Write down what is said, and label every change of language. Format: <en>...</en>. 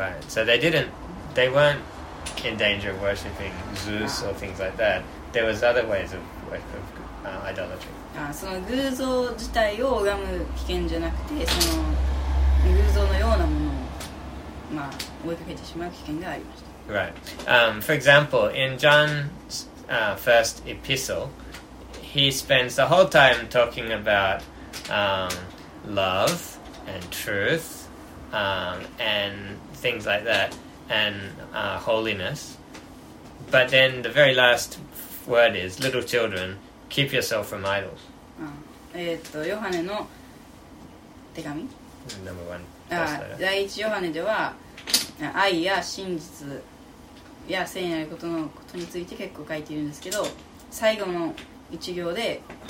<en>Right, so they didn't, they weren't in danger of worshiping Zeus or things like that. There was other ways of idolatry.</en> <ja>その偶像自体を拝む危険じゃなくて、その偶像のようなものをまあ追いかけてしまう危険がありました。</ja> <en>Right. For example, in John's first epistle, he spends the whole time talking about love and truth and things like that and holiness. But then the very last word is, little children, keep yourself from idols.</en> <ja>ヨハネの手紙</ja> <en>Number one.</en> <ja>第一ヨハネでは愛や真実いや聖なることのことについて結構書いているんですけど、最後の一行で</ja>